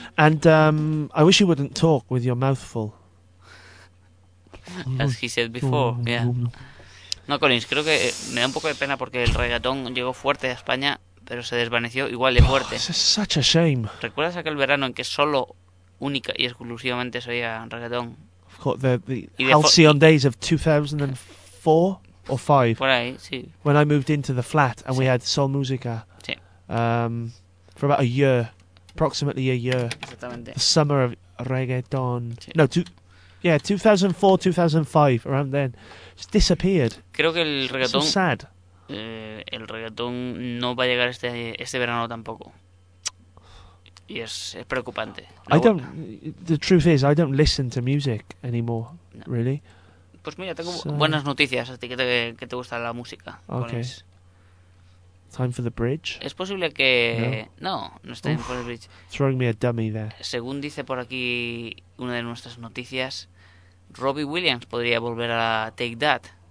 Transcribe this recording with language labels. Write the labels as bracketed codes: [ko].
[en] And I wish you wouldn't talk with your mouth full. As he said before, yeah. [es] No, Collins, creo que me da un poco de pena porque el reggaetón llegó fuerte a España, pero se desvaneció igual de fuerte. [en] This is such a shame. [es] ¿Recuerdas aquel verano en que solo, única y exclusivamente se oía reggaetón? [en] Of course, the halcyon days of 2004 or 5. [es] Por ahí, sí. [en] When I moved into the flat and we had Sol Música. [es] Sí. [en] For about a year, approximately a year. [es] Exactamente. [en] The summer of reggaetón. [es] Sí. [en] No, 2004, 2005, around then. It's disappeared. [es] Creo que el reggaetón, [en] so sad. [es] El reggaetón no va a llegar este verano tampoco. Y es preocupante. [en] The truth is, I don't listen to music anymore, really. [es] Pues mira, tengo buenas noticias a ti que te gusta la música. [en] Okay. Time for the bridge. [es] Es posible que... No está en el bridge. [en] Throwing me a dummy there. [es] Según dice por aquí una de nuestras noticias, Robbie Williams podría volver a Take That.